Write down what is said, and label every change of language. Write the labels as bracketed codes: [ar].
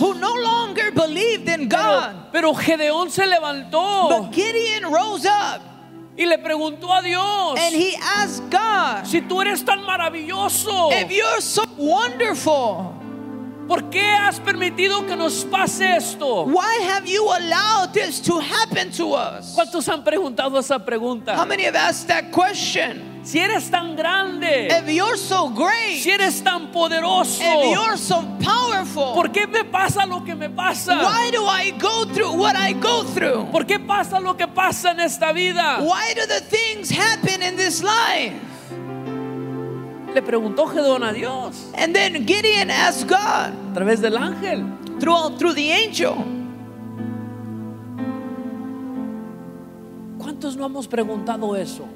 [en] Who no longer believed in God. [es] Pero Gedeón se levantó. [en] But Gideon rose up. [es] Y le preguntó a Dios. [en] And he asked God. [es] Si tú eres tan maravilloso. [en] If you're so wonderful. [es] ¿Por qué has permitido que nos pase esto? [en] Why have you allowed this to happen to us? [es] ¿Cuántos han preguntado esa pregunta? [en] How many have asked that question? [es] Si eres tan grande. [en] If you're so great. [es] Si eres tan poderoso. [en] If you're so powerful. [es] ¿Por qué me pasa lo que me pasa? [en] Why do I go through what I go through? [es] ¿Por qué pasa lo que pasa en esta vida? [en] Why do the things happen in this life? [es] Le preguntó Gedeón a Dios. [en] And then Gideon asked God. [es] A través del ángel. [en] Through the angel. [es] ¿Cuántos no hemos preguntado eso?